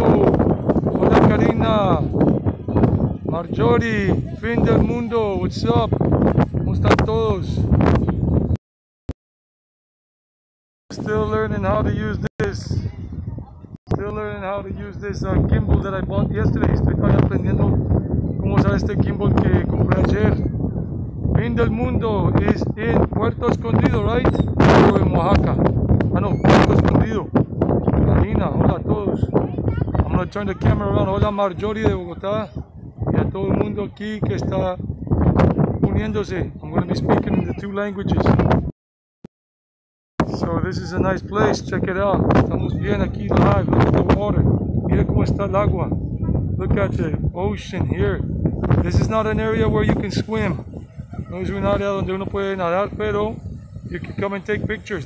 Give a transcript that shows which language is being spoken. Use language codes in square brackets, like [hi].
[es] Hola, Karina. Marjorie. Fin del mundo. [en] What's up? [es] ¿Cómo están todos? [en] Still learning how to use this. Still learning how to use this gimbal that I bought yesterday. [es] Estoy aprendiendo cómo usar este gimbal que compré ayer. [en] Fin del mundo is in Puerto Escondido, right? Or in Oaxaca. [es] Ah, no, Puerto Escondido. Karina, hola a todos. [en] I'm going to turn the camera around. [es] Hola, Marjorie de Bogotá. Y a todo el mundo aquí que está uniéndose. [en] I'm going to be speaking in the two languages. So, this is a nice place. Check it out. [es] Estamos bien aquí [en] live. Look at the water. [es] Mira cómo está el agua. [en] Look at the ocean here. This is not an area where you can swim. [es] No es un área donde uno puede nadar, pero [en] you can come and take pictures.